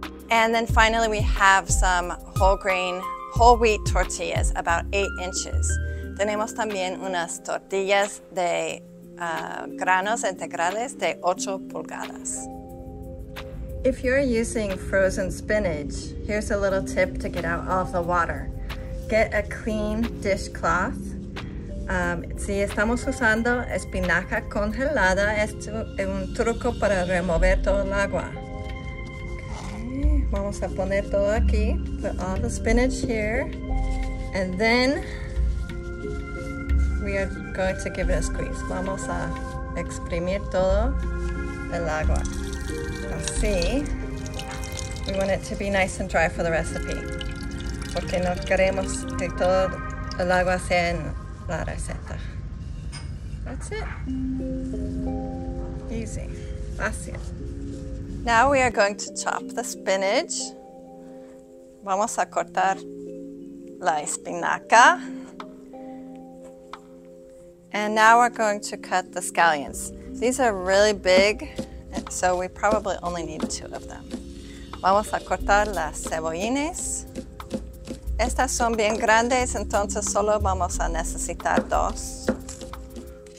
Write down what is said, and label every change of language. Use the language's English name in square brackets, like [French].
[English] And then finally we have some whole grain, whole wheat tortillas, about 8 inches. [Spanish] Tenemos también unas tortillas de granos integrales de 8 pulgadas. [English] If you're using frozen spinach, here's a little tip to get out all of the water. Get a clean dishcloth. [Spanish] Si estamos usando espinaca congelada, esto es un truco para remover todo el agua. Okay. Vamos a poner todo aquí. [English] Put all the spinach here. And then we are going to give it a squeeze. [Spanish] Vamos a exprimir todo el agua. Así. [English] We want it to be nice and dry for the recipe. [Spanish] Porque no queremos que todo el agua sea en la receta. [English] That's it. Easy. Fácil. Now we are going to chop the spinach. [Spanish] Vamos a cortar la espinaca. [English] And now we're going to cut the scallions. These are really big, so we probably only need 2 of them. [Spanish] Vamos a cortar las cebollines. Estas son bien grandes, entonces solo vamos a necesitar 2.